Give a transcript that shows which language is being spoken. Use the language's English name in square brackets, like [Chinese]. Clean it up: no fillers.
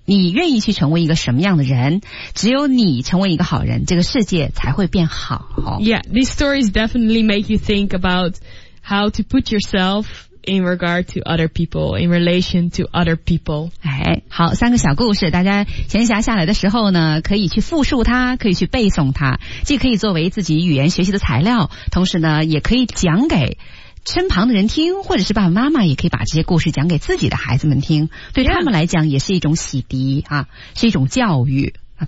[Chinese] 你愿意去成为一个什么样的人？只有你成为一个好人，这个世界才会变好。 [English] Yeah, these stories definitely make you think about how to put yourself in regard to other people, in relation to other people. [Chinese] 哎，好，三个小故事，大家闲暇下来的时候呢，可以去复述它，可以去背诵它，既可以作为自己语言学习的材料，同时呢，也可以讲给身旁的人听，或者是爸爸妈妈也可以把这些故事讲给自己的孩子们听，对他们来讲也是一种洗涤啊，是一种教育啊。